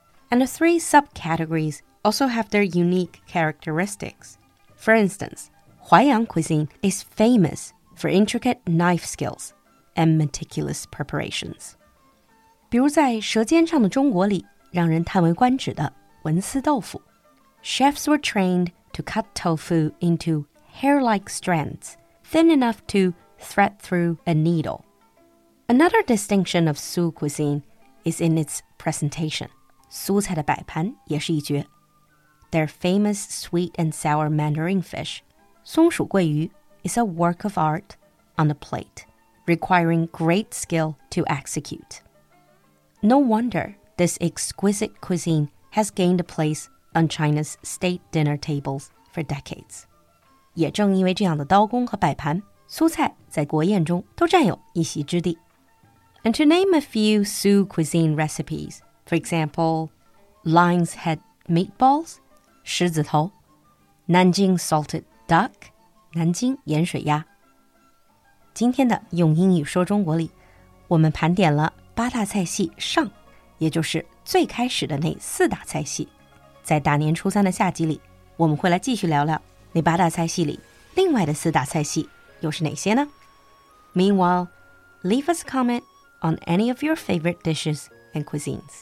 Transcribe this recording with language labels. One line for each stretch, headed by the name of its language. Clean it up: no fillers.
English: And the three subcategories also have their unique characteristics. For instance, 淮阳 cuisine is famous for intricate knife skills and meticulous preparations.
Chinese: 比如在《舌尖上的中国》里，让人叹为观止的文思豆腐。
English: Chefs were trained to cut tofu into hair-like strands, thin enough to thread through a needle. Another distinction of Su cuisine is in its presentation.
Chinese: 苏菜的摆盘也是一绝。
English: Their famous sweet and sour mandarin fish,
Chinese: 松鼠桂鱼,
English: is a work of art on a plate, requiring great skill to execute. No wonder this exquisite cuisine has gained a place on China's state dinner tables for decades.
Chinese: 也正因为这样的刀工和摆盘，苏菜在国宴中都占有一席之地。
English: And to name a few Su cuisine recipes, for example, lion's head meatballs,
Chinese: 狮子头，南京
English: salted duck,
Chinese: 南京盐水鸭。今天的用英语说中国里，我们盘点了八大菜系上，也就是最开始的那四大菜系。在大年初三的下集里，我们会来继续聊聊那八大菜系里另外的四大菜系又是哪些呢？
English: Meanwhile, leave us a comment on any of your favorite dishes and cuisines.